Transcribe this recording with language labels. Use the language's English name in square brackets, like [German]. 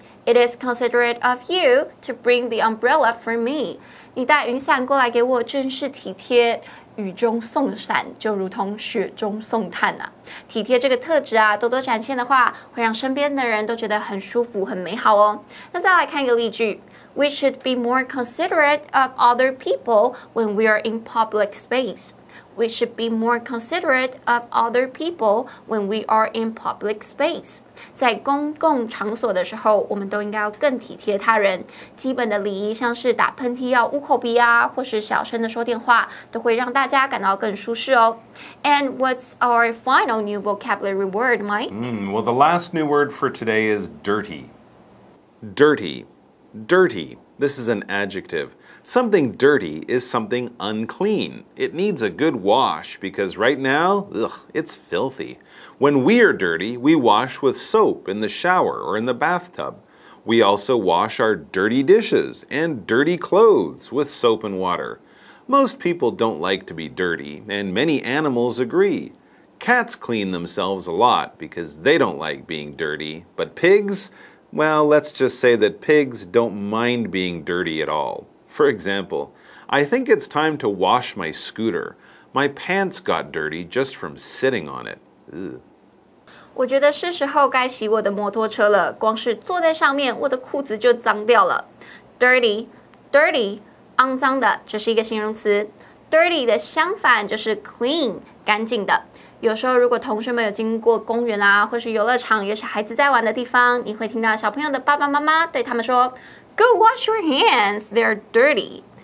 [English] It is considerate of you to bring the umbrella for me. [Chinese] 你带雨伞过来给我真是体贴雨中送伞就如同雪中送炭啊。体贴这个特质啊多多展现的话会让身边的人都觉得很舒服很美好哦。那再来看一个例句 [English] We should be more considerate of other people when we are in public space. We should be more considerate of other people when we are in public space. [Chinese] 在公共场所的时候，我们都应该要更体贴他人。基本的礼仪像是打喷嚏要捂口鼻啊，或是小声的说电话，都会让大家感到更舒适哦。 [English] And what's our final new vocabulary word, Mike? Well, the last new word for today is dirty. Dirty. Dirty. This is an adjective. Something dirty is something unclean. It needs a good wash because right now, ugh, it's filthy. When we are dirty, we wash with soap in the shower or in the bathtub. We also wash our dirty dishes and dirty clothes with soap and water. Most people don't like to be dirty, and many animals agree. Cats clean themselves a lot because they don't like being dirty, but pigs? Well, let's just say that pigs don't mind being dirty at all. For example, I think it's time to wash my scooter. My pants got dirty just from sitting on it. [Chinese] Ugh. 我觉得是时候该洗我的摩托车了。光是坐在上面，我的裤子就脏掉了。 Dirty, dirty, 肮脏的，这是一个形容词。 Dirty 的相反就是 clean, 干净的。有时候如果同学们有经过公园啊，或是游乐场，也是孩子在玩的地方，你会听到小朋友的爸爸妈妈对他们说 [English] Go wash your hands, they're dirty.